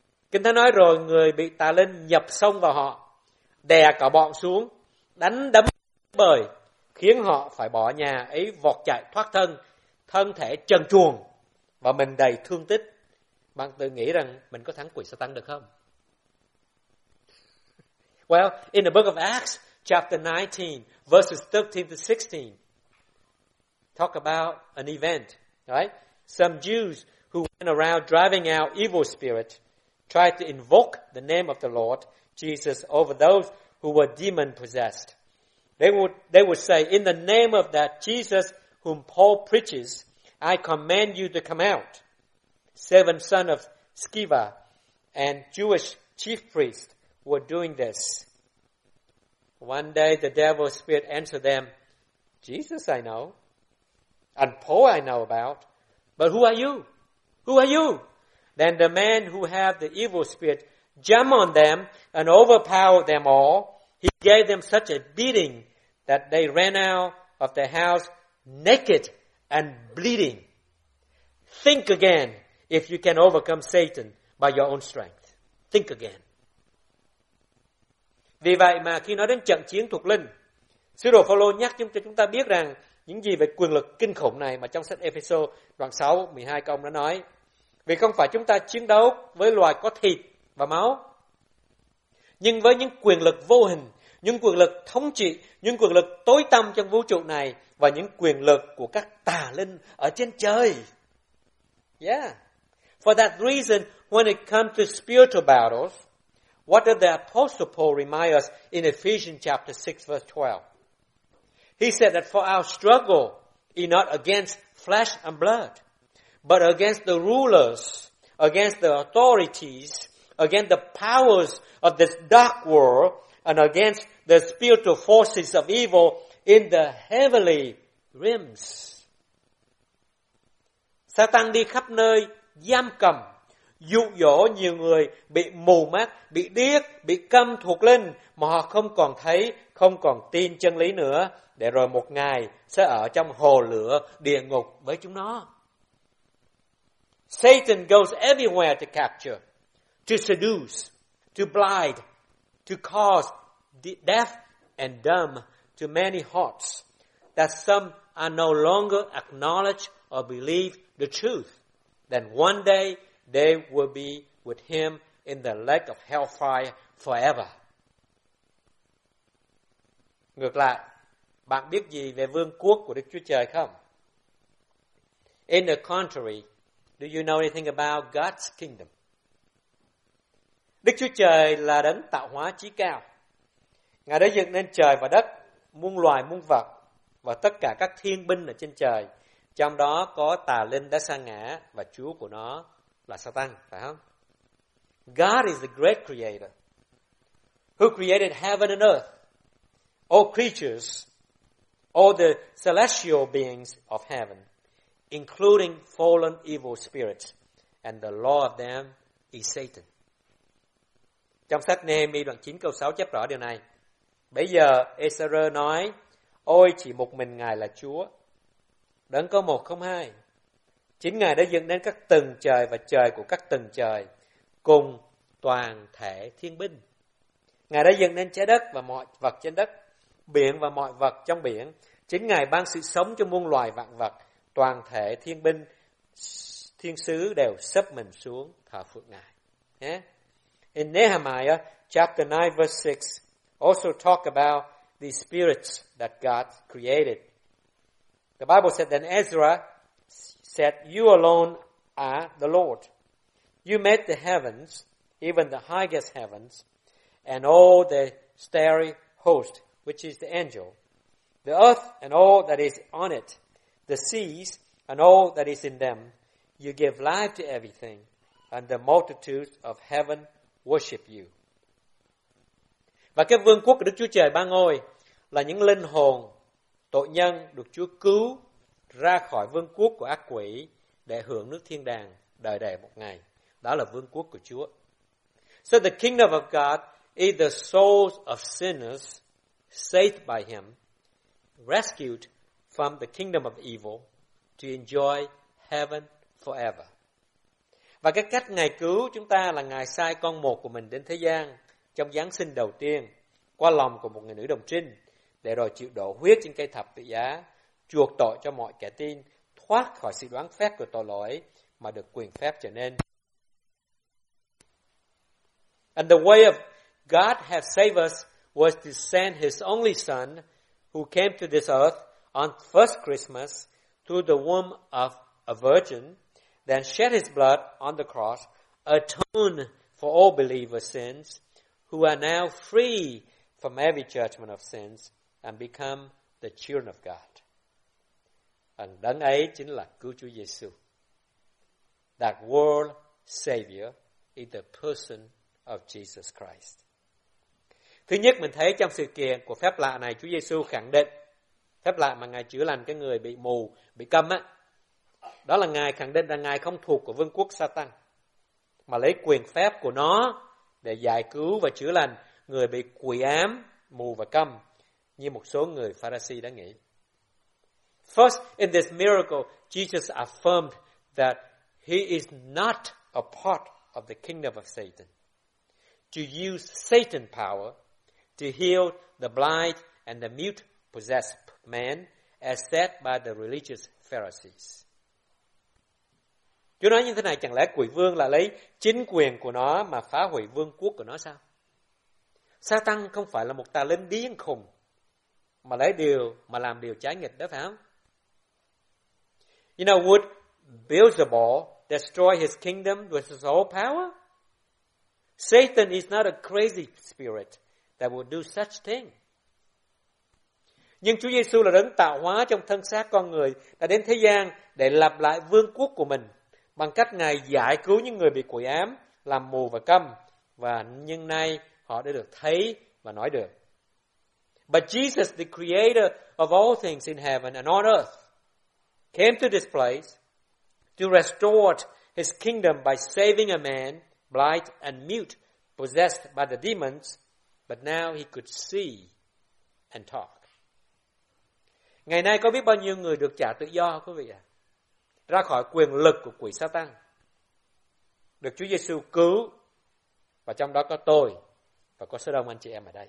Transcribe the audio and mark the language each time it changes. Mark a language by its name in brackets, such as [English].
[Vietnamese] Kinh Thánh nói rồi, người bị tà linh nhập xông vào họ, đè cả bọn xuống, đánh đấm bời, khiến họ phải bỏ nhà ấy vọt chạy thoát thân, thân thể trần truồng và mình đầy thương tích. Bạn tự nghĩ rằng mình có thắng quỷ Satan được không? [English] Well, in the book of Acts, chapter 19, verses 13 to 16, talk about an event, right? Some Jews who went around driving out evil spirits, tried to invoke the name of the Lord Jesus over those who were demon-possessed. They would say, in the name of that Jesus, whom Paul preaches, I command you to come out, seven sons of Sceva and Jewish chief priests were doing this. One day the devil's spirit answered them, Jesus I know, and Paul I know about, but who are you? Who are you? Then the man who had the evil spirit jumped on them and overpowered them all. He gave them such a beating that they ran out of the house naked and bleeding. Think again if you can overcome Satan by your own strength. Think again. [Vietnamese] Vì vậy mà khi nói đến trận chiến thuộc linh, Sứ đồ Phaolô nhắc cho chúng ta biết rằng những gì về quyền lực kinh khủng này mà trong sách Ê-phê-sô đoạn 6, 12 câu đã nói. Vì không phải chúng ta chiến đấu với loài có thịt và máu, nhưng với những quyền lực vô hình, những quyền lực thống trị, những quyền lực tối tăm trong vũ trụ này và những quyền lực của các tà linh ở trên trời. Yeah. [English] For that reason, when it comes to spiritual battles, what did the Apostle Paul remind us in Ephesians chapter 6, verse 12? He said that for our struggle is not against flesh and blood, but against the rulers, against the authorities, against the powers of this dark world, and against the spiritual forces of evil in the heavenly realms. [Vietnamese] Satan đi khắp nơi giam cầm, dụ dỗ nhiều người bị mù mắt, bị điếc, bị câm thuộc linh mà họ không còn thấy, không còn tin chân lý nữa, để rồi một ngày sẽ ở trong hồ lửa địa ngục với chúng nó. [English] Satan goes everywhere to capture, to seduce, to blind, to cause deaf and dumb to many hearts that some are no longer acknowledge or believe the truth. Then one day they will be with him in the lake of hellfire forever. [Vietnamese] Ngược lại, bạn biết gì về vương quốc của Đức Chúa Trời không? [English] In the contrary, do you know anything about God's kingdom? [Vietnamese] Đức Chúa Trời là đấng tạo hóa chí cao. Ngài đã dựng nên trời và đất, muôn loài muôn vật và tất cả các thiên binh ở trên trời, trong đó có tà linh đã sa ngã và chúa của nó là Satan, phải không? [English] God is the great creator who created heaven and earth, all creatures, all the celestial beings of heaven, including fallen evil spirits, and the law of them is Satan. [Vietnamese] Trong sách Nehemi đoạn 9 câu 6 chép rõ điều này. Bây giờ Ezra nói, ôi chỉ một mình Ngài là Chúa, đấng có một không hai. Chính Ngài đã dựng nên các tầng trời và trời của các tầng trời cùng toàn thể thiên binh. Ngài đã dựng nên trái đất và mọi vật trên đất, biển và mọi vật trong biển. Chính Ngài ban sự sống cho muôn loài vạn vật, toàn thể thiên binh, thiên sứ đều sấp mình xuống thờ phượng Ngài. Yeah. [English] In Nehemiah chapter 9 verse 6 also talk about the spirits that God created. The Bible said that Ezra said, you alone are the Lord. You made the heavens, even the highest heavens, and all the starry host, which is the angel, the earth and all that is on it, the seas and all that is in them. You give life to everything, and the multitudes of heaven worship you. [Vietnamese] Và cái vương quốc của Đức Chúa Trời ba ngôi là những linh hồn tội nhân được Chúa cứu ra khỏi vương quốc của ác quỷ để hưởng nước thiên đàng đời đời một ngày. Đó là vương quốc của Chúa. [English] So the kingdom of God is the souls of sinners saved by him, rescued from the kingdom of evil to enjoy heaven forever. [Vietnamese] Và cái cách Ngài cứu chúng ta là Ngài sai con một của mình đến thế gian trong Giáng sinh đầu tiên qua lòng của một người nữ đồng trinh, để rồi chịu đổ huyết trên cây thập tự giá, chuộc tội cho mọi kẻ tin, thoát khỏi sự đoán phép của tội lỗi mà được quyền phép trở nên. [English] And the way of God has saved us was to send his only son who came to this earth on first Christmas through the womb of a virgin, then shed his blood on the cross, atone for all believers' sins, who are now free from every judgment of sins and become the children of God. And [Vietnamese] đấng ấy chính là Cứu Chúa Giê-xu. [English] That world savior is the person of Jesus Christ. [Vietnamese] Thứ nhất, mình thấy trong sự kiện của phép lạ này, Chúa Giê-xu khẳng định phép lạ mà Ngài chữa lành cái người bị mù, bị câm á, đó là Ngài khẳng định rằng Ngài không thuộc của vương quốc Satan, mà lấy quyền phép của nó để giải cứu và chữa lành người bị quỷ ám, mù và câm, như một số người Pharisee đã nghĩ. [English] First, in this miracle, Jesus affirmed that he is not a part of the kingdom of Satan. To use Satan power to heal the blind and the mute possessed man, as said by the religious Pharisees. [Vietnamese] Chúa nói như thế này, chẳng lẽ quỷ vương là lấy chính quyền của nó mà phá hủy vương quốc của nó sao? Satan không phải là một tà linh điên khùng mà lấy điều mà làm điều trái nghịch đó, phải không? [English] You know, would Beelzebub destroy his kingdom with his whole power? Satan is not a crazy spirit that would do such thing. [Vietnamese] Nhưng Chúa Giê-xu là đấng tạo hóa trong thân xác con người, đã đến thế gian để lập lại vương quốc của mình bằng cách Ngài giải cứu những người bị quỷ ám, làm mù và câm, và nhưng nay họ đã được thấy và nói được. [English] But Jesus, the creator of all things in heaven and on earth, came to this place to restore his kingdom by saving a man, blind and mute, possessed by the demons, but now he could see and talk. [Vietnamese] Ngày nay có biết bao nhiêu người được trả tự do, quý vị ạ? Ra khỏi quyền lực của quỷ Satan, được Chúa Giê-xu cứu, và trong đó có tôi và có số đông anh chị em ở đây.